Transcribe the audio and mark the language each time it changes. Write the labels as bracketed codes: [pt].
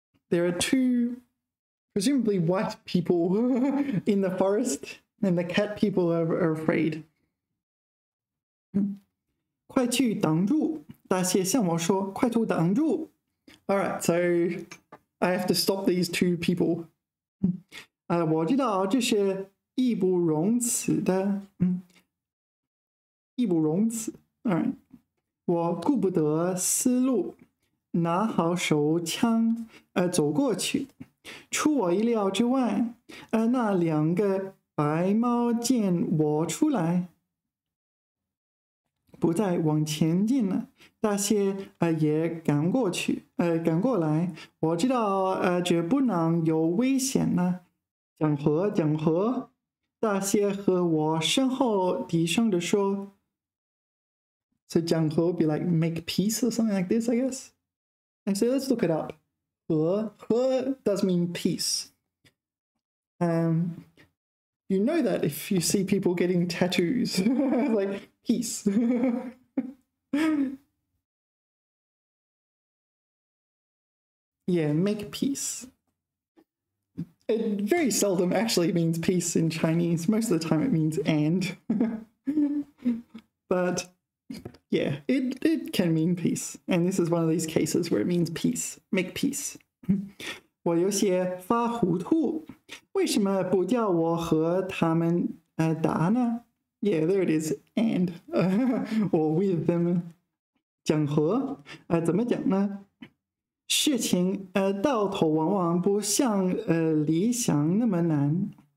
[en] There are two, presumably white people in the forest, and the cat people are afraid. [zh] 快去挡住，大蟹向我说，快去挡住。 [en] All right, so I have to stop these two people. [zh] 我知道这是义不容辞的。义不容辞。 [en] All right. [zh] 我顾不得思路。拿好手枪走过去。出我意料之外那两个白猫见我出来。不再往前进了，大蟹也赶过去赶过来。我知道这不能有危险了。讲和讲和。大蟹和我身后低声地说。 [en] So 讲和 would be like make peace or something like this, I guess. And so let's look it up. 和, 和 does mean peace. You know that if you see people getting tattoos, like peace. Yeah, make peace. It very seldom actually means peace in Chinese. Most of the time it means and. But... Yeah, it can mean peace. And this is one of these cases where it means peace. Make peace. [zh] 我有些发糊涂。为什么不叫我和他们打呢? [en] Yeah, there it is. And. Or with them. [zh] 讲和怎么讲呢? 事情到头往往不像理想那么难。